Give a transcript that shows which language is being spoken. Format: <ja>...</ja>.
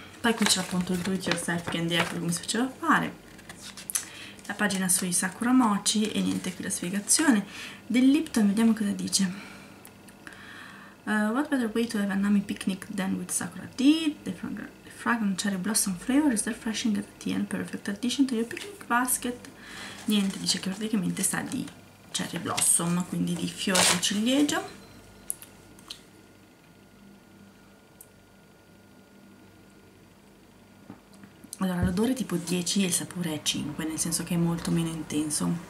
<it>Poi qui c'è appunto il</it> <en>do it yourself candy apple,</en> <it>come si faceva a fare, la pagina sui Sakura Mochi e niente, qui la spiegazione del Lipton, vediamo cosa dice.</it> <en>What better way to have a nami picnic than with Sakura tea? The fragrant cherry blossom flavor is refreshing at the tea and perfect addition to your picnic basket.</en> <it>Niente, dice che praticamente sa di cherry blossom, quindi di fiori di ciliegio. Allora, l'odore è tipo 10 e il sapore è 5, nel senso che è molto meno intenso.</it>